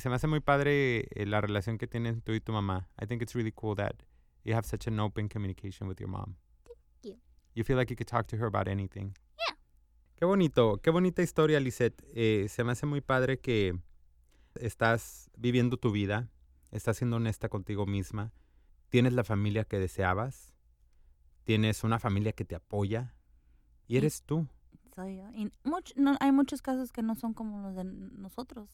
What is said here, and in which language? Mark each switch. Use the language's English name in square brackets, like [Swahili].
[Spanish] Se me hace muy padre la relación que tienen tú y tu mamá. [English] I think it's really cool that you have such an open communication with your mom. Thank you. You feel like you could talk to her about anything. Yeah. [Spanish] Qué bonito. Qué bonita historia, Lisette. Se me hace muy padre que estás viviendo tu vida. Estás siendo honesta contigo misma. Tienes la familia que deseabas. Tienes una familia que te apoya. Y eres tú. Soy yo. Y hay muchos casos que no son como los de nosotros.